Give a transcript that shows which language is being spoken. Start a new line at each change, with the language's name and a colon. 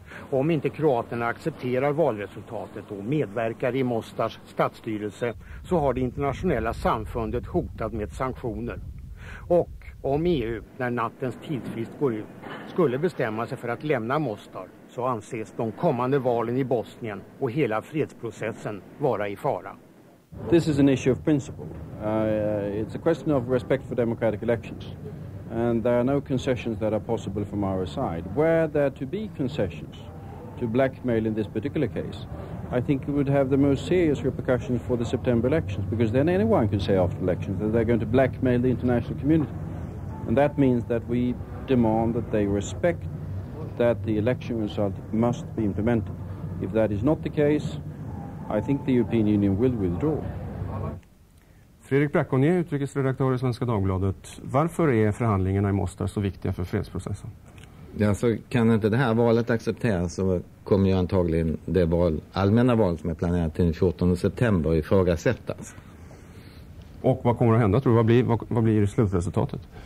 Swedish: Om inte kroaterna accepterar valresultatet och medverkar i Mostars stadsstyrelse så har det internationella samfundet hotat med sanktioner. Och om EU, när nattens tidsfrist går ut, skulle bestämma sig för att lämna Mostar, så anses de kommande valen i Bosnien och hela fredsprocessen vara i fara.
English: This is an issue of principle. It's a question of respect for democratic elections. And there are no concessions that are possible from our side. Were there to be concessions to blackmail in this particular case, I think it would have the most serious repercussions for the September elections, because then anyone can say after elections that they're going to blackmail the international community. And that means that we demand that they respect that the election result must be implemented. If that is not the case, I think the European Union will withdraw.
Swedish: Fredrik Bracconi, utrikesredaktör i Svenska Dagbladet. Varför är förhandlingarna i Mostar så viktiga för fredsprocessen? Ja, så kan inte det här valet accepteras, så kommer ju antagligen det val, allmänna val som är planerat till den 14 september ifrågasättas. Och vad kommer att hända, tror du? Vad blir slutresultatet?